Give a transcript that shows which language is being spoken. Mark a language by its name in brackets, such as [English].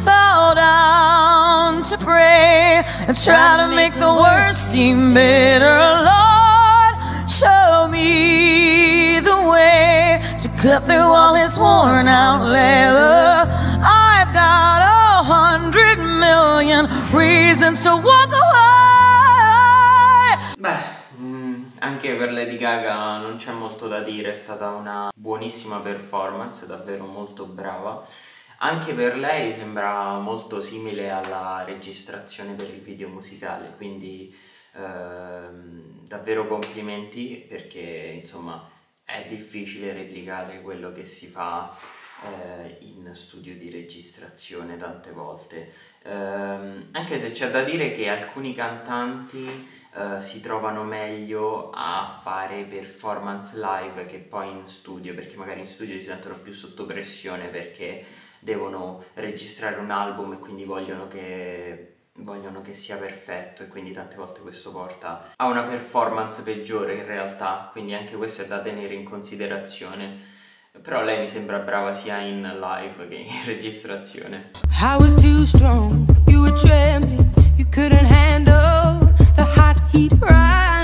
[English] I try to make the worst seem better, Lord, show me the way to cut through all this worn out leather. I've got 100 million reasons to walk away. [Italian] Beh, anche per Lady Gaga non c'è molto da dire, è stata una buonissima performance, davvero molto brava. Anche per lei sembra molto simile alla registrazione per il video musicale, quindi davvero complimenti, perché insomma è difficile replicare quello che si fa in studio di registrazione tante volte. Anche se c'è da dire che alcuni cantanti si trovano meglio a fare performance live che poi in studio, perché magari in studio si sentono più sotto pressione perché devono registrare un album e quindi vogliono che sia perfetto, e quindi tante volte questo porta a una performance peggiore in realtà, quindi anche questo è da tenere in considerazione. Però lei mi sembra brava sia in live che in registrazione. [English] I was too strong, you were trembling, you couldn't handle the hot heat rise.